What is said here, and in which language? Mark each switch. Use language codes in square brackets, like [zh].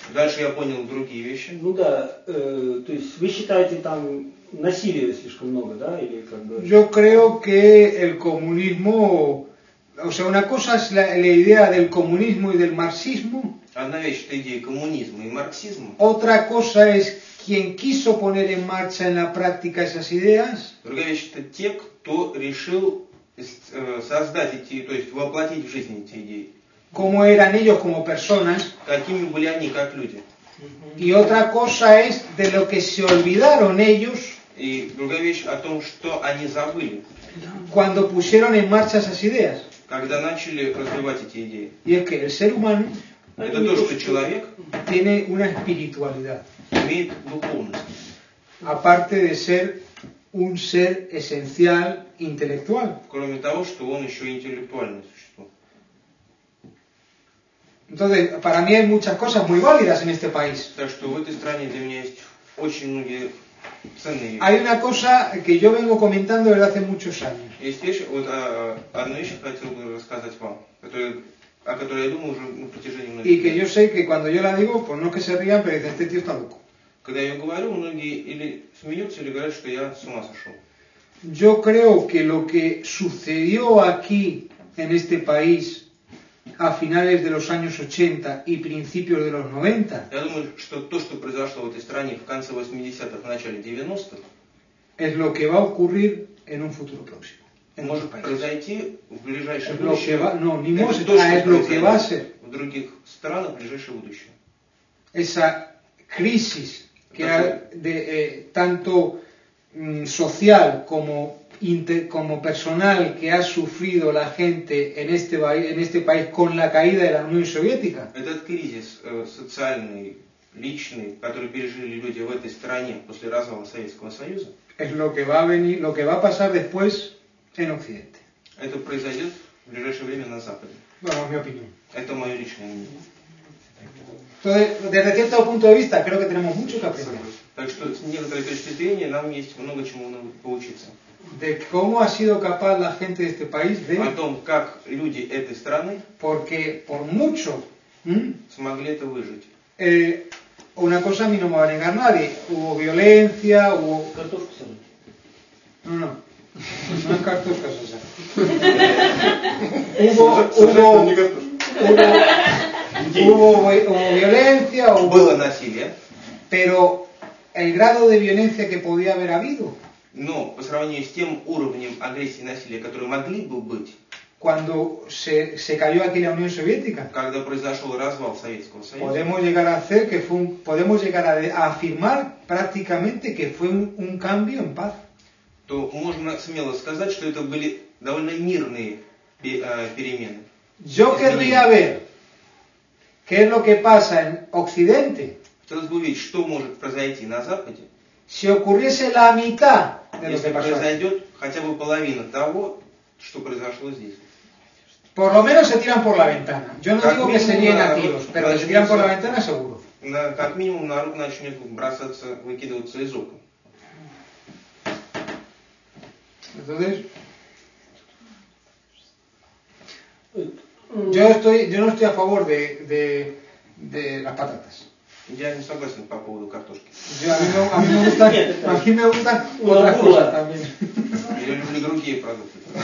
[ru] Дальше я понял другие вещи. Ну да, то есть вы считаете там насилия слишком много, да? Или как бы... [es] Yo creo que el comunismo... O sea, una cosa es la idea del comunismo y del marxismo. [ru] Одна вещь – это идея коммунизма и марксизма. [es] Otra cosa es quien quiso poner en marcha en la práctica esas ideas. [ru] Другая вещь – это те, кто решил создать эти, то есть воплотить в жизнь эти идеи. [es] Como eran ellos como personas. [ru] Какими были они как люди. [es] Y otra cosa es de lo que se olvidaron ellos. [ru] И другая вещь о том, что они забыли. [es] Cuando pusieron en marcha esas ideas. [ru] Когда начали развивать эти идеи. [es] Y es que el ser humano. [ru] Это то, что человек. [es] Tiene una espiritualidad. [ru] Имеет духовность. [es] Aparte de ser un ser esencial intelectual. [ru] Кроме того, что он еще интеллектуальное существо. [es] Entonces, para mí hay muchas cosas muy válidas en este país. [ru] Так что в этой стране для меня есть очень многие ценные. [es] Hay una cosa que yo vengo comentando desde hace muchos años. [ru] Есть вещь, вот одну вещь хотел бы рассказать вам, о которой я думаю уже на протяжении многих. [es] И que yo sé que cuando yo la digo, pues no es que se rían, pero dicen, este tío está loco. [ru] Когда я ее говорю, многие или смеются, или говорят, что я с ума сошел. [es] Yo creo que lo que sucedió aquí en este país a finales de los años 80 y principios de los 90. [ru] Я думаю, что то, что произошло в этой стране в конце 80-х, в начале 90-х, [es] es lo que va a ocurrir en un futuro próximo. [ru] Может произойти в ближайшее будущее. [es] No, [ru] не может, а [es] es lo que va a ser. [ru] В других странах в ближайшее будущее. [es] Esa crisis que ha de tanto social como como personal que ha sufrido la gente en este país con la caída de la Unión Soviética. [ru] Этот кризис социальный, личный, который пережили люди в этой стране после развала Советского Союза. [es] Es lo que va a venir, lo que va a pasar después en Occidente. [ru] Это произойдет в ближайшее время на Западе. [es] Bueno, mi opinión. [ru] Это мое личное мнение. [es] Entonces, desde cierto punto de vista, creo que tenemos mucho que aprender. [ru] Так что с некоторой точки зрения нам есть много чему поучиться. [es] De cómo ha sido capaz la gente de este país de. [ru] О том, как люди этой страны. [es] Porque por mucho. [ru] Смогли это выжить. [es] Una cosa a mí no me va a negar nadie. Hubo violencia, hubo. [ru] Картошку сажали. [es] No. No es [ru] картошка сажали. [es] Hubo violencia. [ru] Было насилие. [es] Pero el grado de violencia que podía haber habido. [ru] Но по сравнению с тем уровнем агрессии и насилия, который могли бы быть, [es] cuando se cayó aquí la Unión Soviética, [ru] когда произошел развал Советского Союза, [es] podemos llegar a hacer que fue un, podemos llegar a afirmar prácticamente que fue un cambio en paz. [ru] То можно смело сказать, что это были довольно мирные перемены. [es] Yo querría ver qué es lo que pasa en Occidente. [ru] Хотелось бы увидеть, что может произойти на Западе. [es] Si ocurriese la mitad de lo que pasó. [ru] Если произойдет хотя бы половина того, что произошло здесь. [es] Por lo menos se tiran por la ventana. Yo no digo que se lien a tiros, pero se tiran por la ventana seguro. [ru] Как минимум народ начнет бросаться, выкидываться из окон. [es] Entonces, yo no estoy a favor de las patatas. [ru] Я не согласен по поводу картошки. А мне нужна вот рукола там. Я люблю другие продукты.